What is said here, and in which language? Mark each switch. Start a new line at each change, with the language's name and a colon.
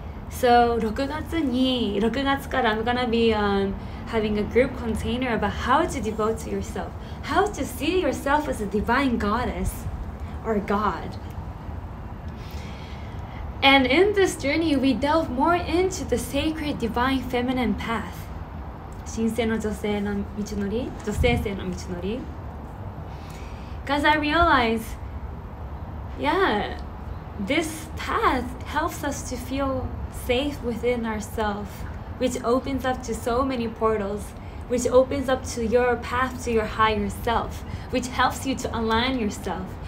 English: So,
Japanese: 6月から
English: I'm gonna be having a group container about how to devote to yourself. How to see yourself as a divine goddess or God. And in this journey, we delve more into the sacred divine feminine path.
Japanese: 神聖の女性の道のり。女性性の道のり.
English: Because I realize, yeah, this path helps us to feel safe within ourselves, which opens up to so many portals, which opens up to your path to your higher self, which helps you to align yourself.